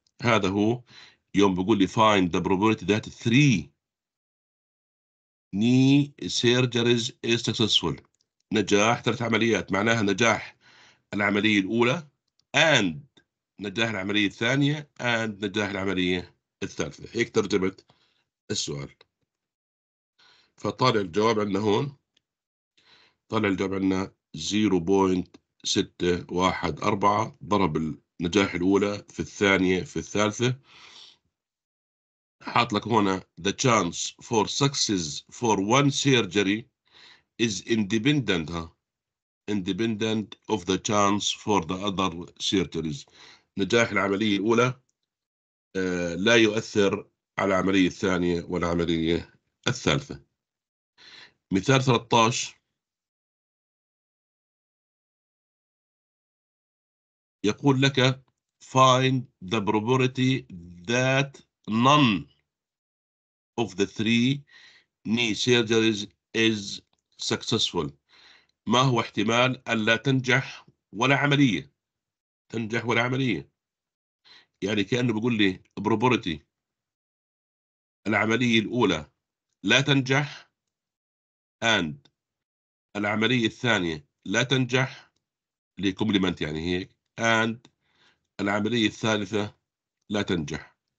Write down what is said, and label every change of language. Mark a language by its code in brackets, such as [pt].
[ar] هذا هو يوم بقول لي [en] find the probability that three knee surgeries is successful، [ar] نجاح ثلاث عمليات معناها نجاح العملية الأولى and نجاح العملية الثانية and نجاح العملية الثالثة. هيك ترجمت السؤال. فطالع الجواب عندنا هون 0.5 ستة واحد أربعة ضرب النجاح الأولى في الثانية في الثالثة. حاط لك هنا [en] the chance for success for one surgery is independent independent of the chance for the other surgeries. [ar] نجاح العملية الأولى لا يؤثر على العملية الثانية والعملية الثالثة. مثال 13 يقول لك [en] find the probability that none of the three knee surgeries is successful. [ar] ما هو احتمال ألا تنجح ولا عملية؟ تنجح ولا عملية؟ يعني كأنه بيقول لي probability العملية الأولى لا تنجح and العملية الثانية لا تنجح لكمبليمنت يعني هيك and العملية الثالثة لا تنجح